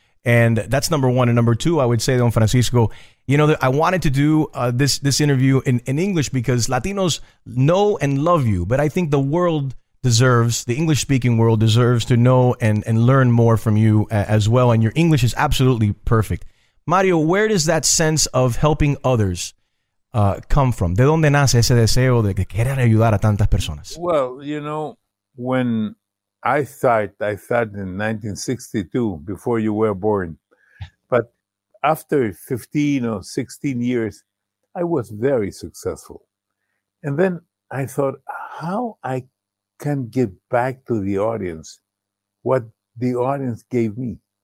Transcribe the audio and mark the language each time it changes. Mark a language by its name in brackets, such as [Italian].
[English] And that's number one. And number two, I would say, Don Francisco, you know, I wanted to do this interview in English because Latinos know and love you. But I think the world deserves, the English speaking world deserves to know and learn more from you as well. And your English is absolutely perfect. Mario, where does that sense of helping others come from? [Spanish] ¿De dónde nace ese deseo de querer ayudar a tantas personas? [English] Well, you know, when I started in 1962, before you were born. But after 15 or 16 years, I was very successful. And then I thought, how I can give back to the audience what the audience gave me?